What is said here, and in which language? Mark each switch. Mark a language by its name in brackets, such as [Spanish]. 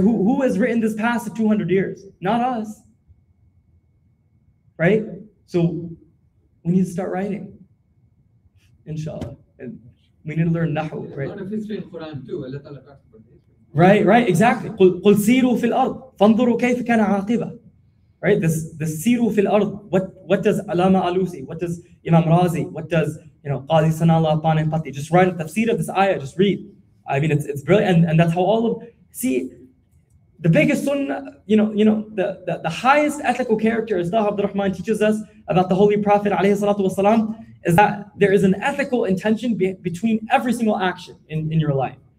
[English] Who has written this past 200 years? Not us. Right? So we need to start writing. Inshallah. And we need to learn Nahu, right? There's a lot of history in Quran too. Allah Ta'ala talks about history. Right, exactly. [Arabic] قُلْ سِيرُوا فِي الْأَرْضِ فَانْظُرُوا كَيْفَ كَانَ عَاقِبَةً. [English] Right, this [Arabic] سِيرُوا فِي الْأَرْضِ. [English] What does Alama Alusi, what does Imam Razi, what does, you know, Qazi Sanallah Panipati? Just write a tafsir of this ayah, just read. I mean, it's brilliant. And that's how all of, see, the biggest sunnah, you know, the highest ethical character, as Dahab Rahman teaches us about the Holy Prophet alayhi salatu wasalam, is that there is an ethical intention between every single action in your life.